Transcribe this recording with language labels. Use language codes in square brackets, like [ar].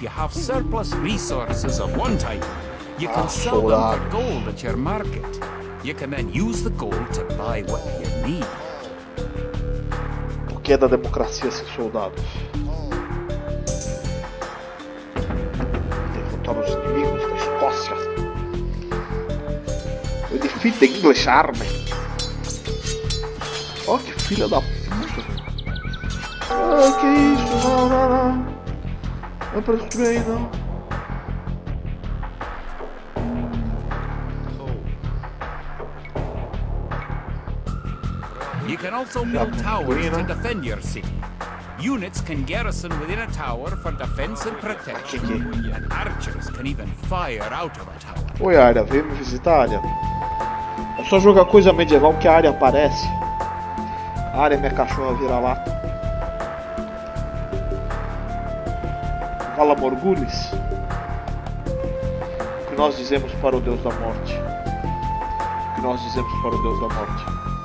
[en] Surplus resources of one type, you can sell them for gold at your market. You can then use the gold to buy what you need. [pt] Por que é da democracia esses soldados? Derrotar os inimigos da Escócia. [en] Eu defeat the English army. [pt] Oh, que filha da puta. Ah, que isso? Não. Não é pra destruir aí, não. [en] You can also build towers to defend your city. Units can garrison within a tower for defense and protection. And archers can even fire out of a tower. [pt] Oi, área, vem me visitar, área. É só jogar coisa medieval que a área aparece. A área, minha cachorra vira lá. Fala Morgulis. O que nós dizemos para o Deus da Morte? O que nós dizemos para o Deus da Morte?